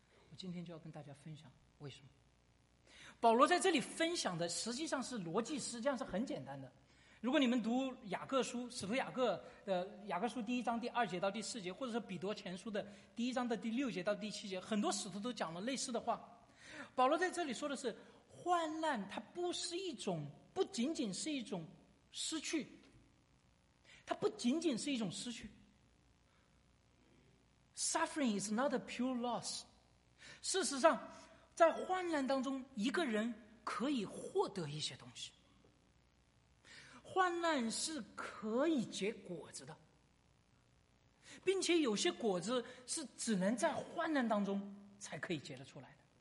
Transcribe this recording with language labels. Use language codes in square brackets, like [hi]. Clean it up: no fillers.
[zh] 我今天就要跟大家分享为什么保罗在这里分享的实际上是逻辑，实际上是很简单的，如果你们读雅各书，使徒雅各的雅各书第一章第二节到第四节，或者是彼得前书的第一章的第六节到第七节，很多使徒都讲了类似的话。保罗在这里说的是患难它不是一种，不仅仅是一种失去，它不仅仅是一种失去。 [en] Suffering is not a pure loss. [zh] 事实上在患难当中一个人可以获得一些东西，患难是可以结果子的，并且有些果子是只能在患难当中才可以结得出来的。